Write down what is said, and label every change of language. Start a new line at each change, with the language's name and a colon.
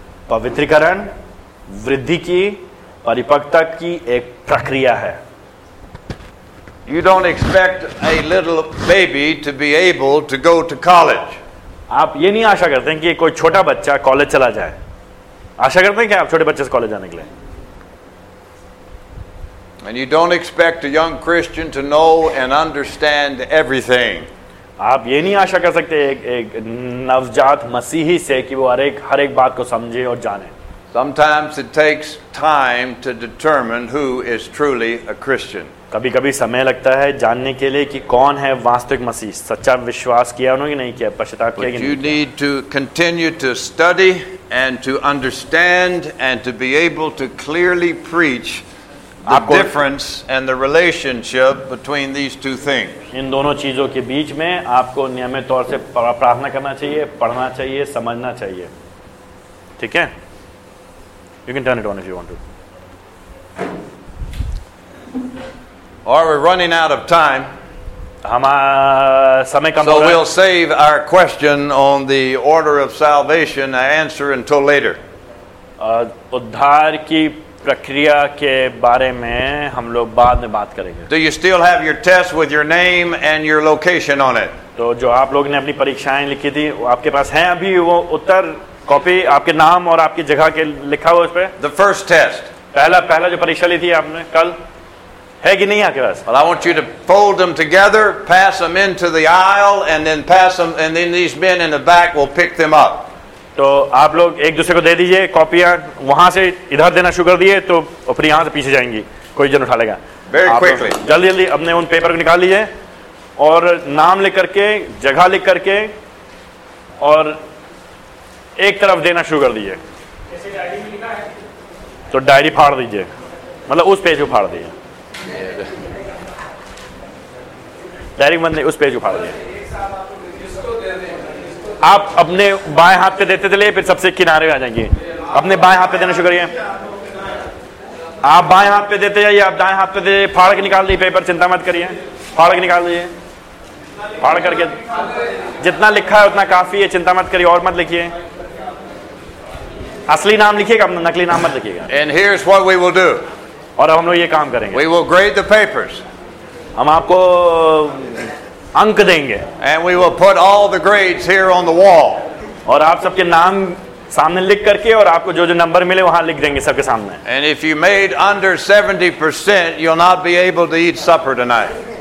Hindi: पवित्रीकरण वृद्धि की, परिपक्वता की एक प्रक्रिया है.
English: You don't expect a little baby to be able to go to college.
Hindi: आप ये नहीं आशा करते हैं कि कोई छोटा बच्चा कॉलेज चला जाए. आशा करते हैं कि आप छोटे बच्चे से कॉलेज जाने के लिए?
English: And you don't expect a young Christian to know and understand everything.
Hindi: आप ये नहीं आशा कर सकते एक एक नवजात मसीही से कि वो हर एक बात को समझे और जाने.
English: Sometimes it takes time to determine who is truly a Christian.
Hindi: कभी-कभी समय लगता है जानने के लिए कि कौन है वास्तविक मसीह, सच्चा विश्वास किया उन्होंने कि नहीं किया, पश्चाताप किया कि नहीं.
English: You need to continue to study and to understand and to be able to clearly preach the difference and the relationship between these two things.
Hindi: इन दोनों चीजों के बीच में आपको नियमित तौर से प्रार्थना करना चाहिए, पढ़ना चाहिए, समझना चाहिए. ठीक है?
English: You can turn it on if you want to. Are we running out of time?
Hindi: समय कम.
English: So we'll save our question on the order of salvation answer until later.
Hindi: उद्धार की प्रक्रिया के बारे में हम लोग बाद में बात करेंगे.
English: Do you still have your test with your name and your location on it?
Hindi: तो जो आप लोग ने अपनी परीक्षाएं लिखी थी वो आपके पास है अभी वो उत्तर कॉपी, आपके नाम और आपकी जगह के लिखा हुआ उस पे?
English: The first test.
Hindi: पहला जो परीक्षा ली थी आपने कल, है कि नहीं आपके पास?
English: Well, I want you to fold them together, pass them into the aisle, and then pass them, and then these men in the back will pick them up.
Hindi: तो आप लोग एक दूसरे को दे दीजिए कॉपियां, वहां से इधर देना शुरू कर दिए तो फिर यहां से पीछे जाएंगी, कोई जन उठा लेगा. Very quickly. जल्दी जल्दी अपने उन पेपर को निकाल लीजिए और नाम लिख करके, जगह लिख करके और एक तरफ देना शुरू कर दीजिए. तो डायरी फाड़ दीजिए, मतलब उस पेज को फाड़ दीजिए. डायरी बंद नहीं, उस पेज को फाड़ दीजिए. आप अपने बाएं हाथ पे देते चले, फिर सबसे किनारे आ जाएंगे. अपने बाएं हाथ पे देना शुरू करिए. आप बाएं हाथ पे देते जाइए, आप दाएं हाथ पे देते, फाड़ के निकाल दीजिए पेपर, चिंता मत करिए, फाड़ के निकाल दीजिए. फाड़ करके जितना लिखा है उतना काफी है, चिंता मत करिए, और मत लिखिए. असली नाम लिखिएगा, अपना नकली नाम मत लिखिएगा.
English: And here's what we will do.
Hindi: और अब हम लोग ये काम करेंगे.
English: We will grade the papers.
Hindi: हम आपको अंक देंगे.
English: And we will put all the grades here on the wall.
Hindi: और आप सबके नाम सामने लिख करके और आपको जो जो नंबर मिले वहां लिख देंगे सबके सामने.
English: And if you made under 70%, you'll not be able to eat supper tonight.